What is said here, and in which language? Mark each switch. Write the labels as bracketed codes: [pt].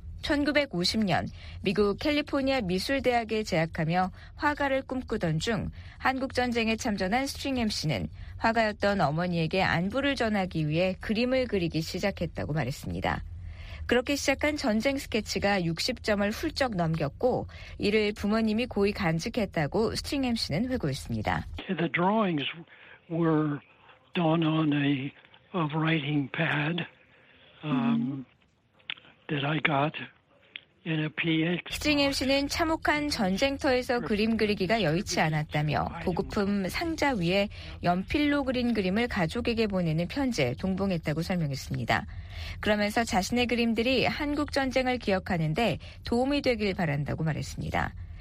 [ko] 1950년 미국 캘리포니아 미술대학에 재학하며 화가를 꿈꾸던 중 한국전쟁에 참전한 스트링햄 씨는 화가였던 어머니에게 안부를 전하기 위해 그림을 그리기 시작했다고 말했습니다. 그렇게 시작한 전쟁 스케치가 60점을 훌쩍 넘겼고 이를 부모님이 고이 간직했다고 스트링햄 씨는 회고했습니다. [en] The drawings were done on a writing pad. That I got in a PX. [ko] 스트링햄 씨는 참혹한 전쟁터에서 그림 그리기가 여의치 않았다며 보급품 상자 위에 연필로 그린 그림을 가족에게 보내는 편지에 동봉했다고 설명했습니다. 그러면서 자신의 그림들이 한국 전쟁을 기억하는 데 도움이 되길 바란다고 말했습니다.